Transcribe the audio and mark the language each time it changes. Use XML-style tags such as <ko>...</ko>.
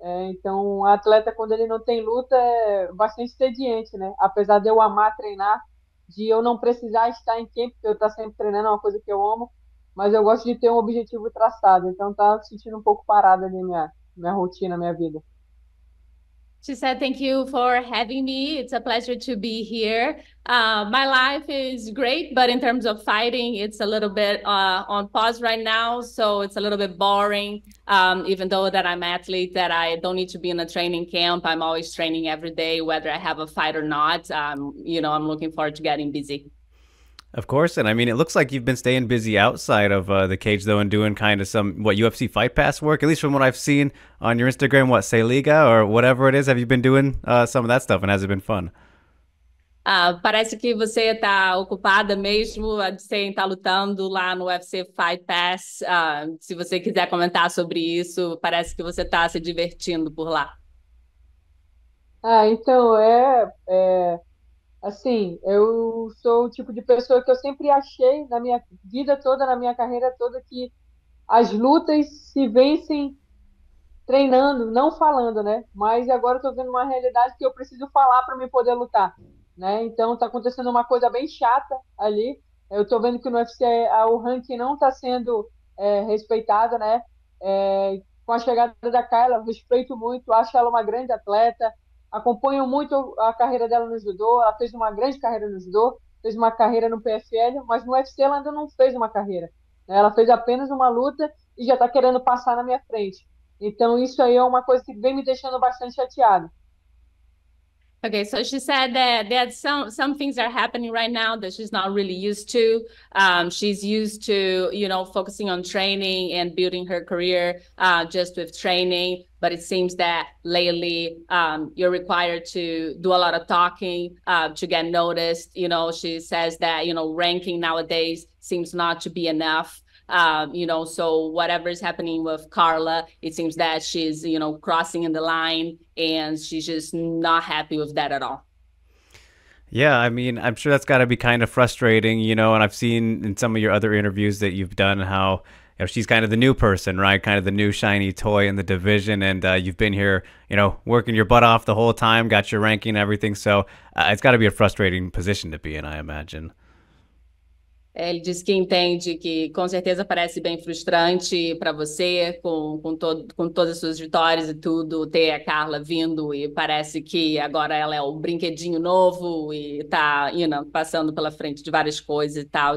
<pt>Então, um atleta, quando ele não tem luta, é bastante tediante, né? Apesar de eu amar treinar, de eu não precisar estar em campo, porque eu estar sempre treinando é uma coisa que eu amo, mas eu gosto de ter um objetivo traçado. Então, tá sentindo um pouco parada ali minha rotina, minha vida.</pt> <en>She said, "Thank you for having me. It's a pleasure to be here. My life is great, but in terms of fighting, it's a little bit on pause right now. So it's a little bit boring. Even though that I'm athlete, that I don't need to be in a training camp. I'm always training every day, whether I have a fight or not. I'm looking forward to getting busy." Of course, and I mean, it looks like you've been staying busy outside of the cage, though, and doing kind of some what UFC Fight Pass work. At least from what I've seen on your Instagram, what Se Liga or whatever it is, have you been doing some of that stuff? And has it been fun?</en> <pt>Parece que você está ocupada mesmo, sem estar lutando lá no UFC Fight Pass. Se você quiser comentar sobre isso, parece que você está se divertindo por lá. Ah, então assim, eu sou o tipo de pessoa que eu sempre achei na minha vida toda, na minha carreira toda, que as lutas se vencem treinando, não falando, né? Mas agora eu tô vendo uma realidade que eu preciso falar para me poder lutar, né? Então tá acontecendo uma coisa bem chata ali. Eu tô vendo que no UFC o ranking não tá sendo respeitado, né? Com a chegada da Kayla, respeito muito, acho ela uma grande atleta. Acompanho muito a carreira dela no judô. Ela fez uma grande carreira no judô, fez uma carreira no PFL, mas no UFC ela ainda não fez uma carreira. Ela fez apenas uma luta e já está querendo passar na minha frente. Então, isso aí é uma coisa que vem me deixando bastante chateado.</pt> <en>Okay, so she said that some things are happening right now that she's not really used to. She's used to, focusing on training and building her career just with training. But it seems that lately you're required to do a lot of talking to get noticed. She says that, ranking nowadays seems not to be enough. So whatever is happening with Carla, it seems that she's, crossing in the line, and she's just not happy with that at all. Yeah, I mean, I'm sure that's got to be kind of frustrating, and I've seen in some of your other interviews that you've done how she's kind of the new person, right? Kind of the new shiny toy in the division, and you've been here, working your butt off the whole time, got your ranking and everything. So it's got to be a frustrating position to be in, I imagine.</en> <pt>Ele diz que entende que com certeza parece bem frustrante para você, com todas as suas vitórias e tudo, ter a Carla vindo e parece que agora ela é o brinquedinho novo e está, passando pela frente de várias coisas e tal.</pt>